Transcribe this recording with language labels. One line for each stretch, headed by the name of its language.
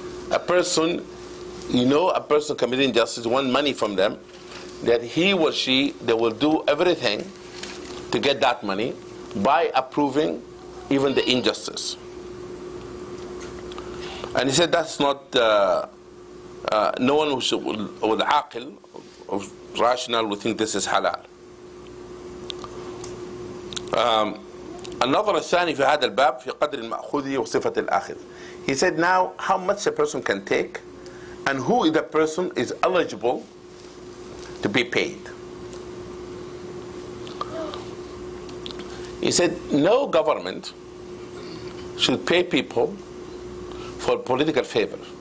English: A person, you know a person committing injustice, want money from them, that he or she, they will do everything to get that money by approving even the injustice. And he said that's not, no one with aqil, of rational, would think this is halal.
Arabic: Another الثاني في هذا الباب في قدر المأخوذ وصفة الآخذ.
English: He said now how much a person can take and who the person is eligible to be paid. He said no government should pay people for political favor.